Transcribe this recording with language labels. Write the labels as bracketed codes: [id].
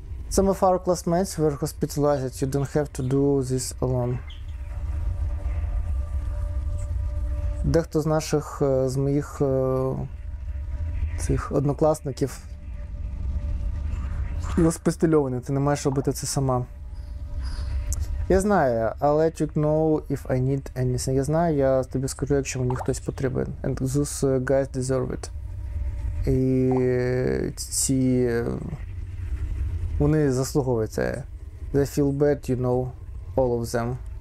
[en] Some of our classmates were hospitalized. You don't have to do this alone. [uk] Дехто з наших, з моїх цих однокласників госпітальований. Ти не маєш робити це сама. Я знаю, [en] I'll let you know if I need anything. [uk] Я знаю, я тобі скажу, якщо мені хтось потрібен. [en] And those guys deserve it. [uk] І ці, вони заслуговують це. [en] They feel bad, you know, all of them.